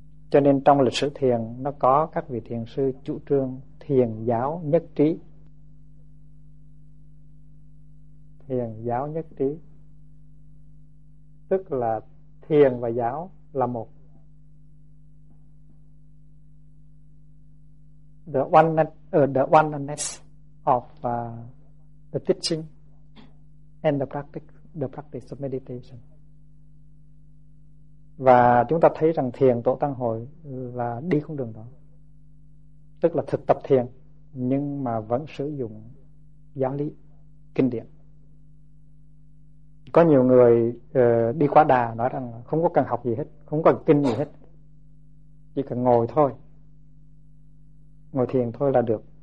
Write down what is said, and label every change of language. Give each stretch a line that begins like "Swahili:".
Vietnamese: Cho nên trong lịch sử thiền nó có các vị thiền sư chủ trương thiền giáo nhất trí, thiền giáo nhất trí, tức là thiền và giáo là một.
English: The oneness of the teaching and the practice of meditation.
Vietnamese: Và chúng ta thấy rằng thiền tổ Tăng Hội là đi con đường đó, tức là thực tập thiền nhưng mà vẫn sử dụng giáo lý kinh điển. Có nhiều người đi quá đà, nói rằng không có cần học gì hết, không cần kinh gì hết, chỉ cần ngồi thôi, ngồi thiền thôi là được.